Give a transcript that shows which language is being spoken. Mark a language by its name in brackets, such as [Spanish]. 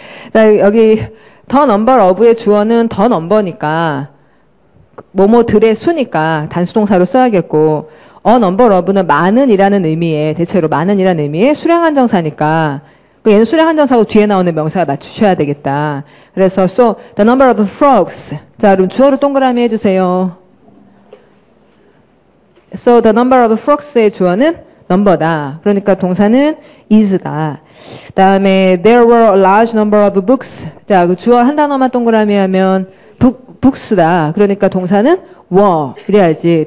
[Korean] 자, 여기 the number of의 주어는 the number니까 뭐뭐들의 수니까 단수동사로 써야겠고, a number of는 많은이라는 의미의 대체로 많은이라는 의미의 수량 한정사니까 얘는 수량 한정사고 뒤에 나오는 명사에 맞추셔야 되겠다. 그래서 [English] so the number of frogs. [Korean] 자, 그럼 주어를 동그라미 해주세요. [English] So the number of frogs의 [Korean] 주어는 number다. 그러니까 동사는 is다. 다음에 [English] there were a large number of books. [Korean] 자, 그 주어 한 단어만 동그라미 하면 books다. 그러니까 동사는 were 이래야지.